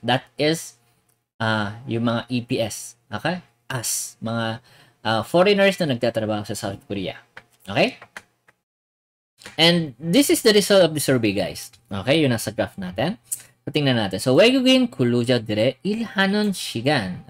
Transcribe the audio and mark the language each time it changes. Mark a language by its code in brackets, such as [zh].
[tl] That is, yung mga EPS, okay, us, mga foreigners na nagtatrabaho sa South Korea. [en] Okay? And this is the result of the survey, guys. [tl] Okay, yun nasa graph natin. So, tingnan natin. [ko] So, 외국인 근로자들의 일하는 시간.